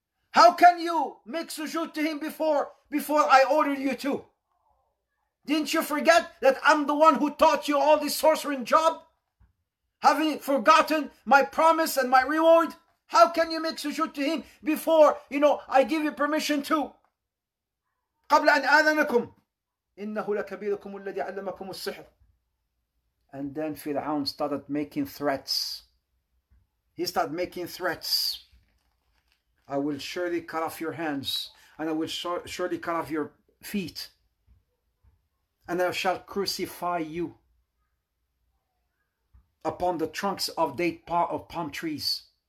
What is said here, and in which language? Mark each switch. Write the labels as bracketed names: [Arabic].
[English] How can you make sujood to him before I ordered you to? Didn't you forget that I'm the one who taught you all this sorcering job? Having forgotten my promise and my reward? How can you make sujood to him before, you know, I give you permission to? [Arabic] قبل أن آذنكم إنه لكبيركم الذي علمكم السحر. [English] And then Fir'aun started making threats. He started making threats. I will surely cut off your hands, and I will surely cut off your feet, and I shall crucify you upon the trunks of date of palm trees.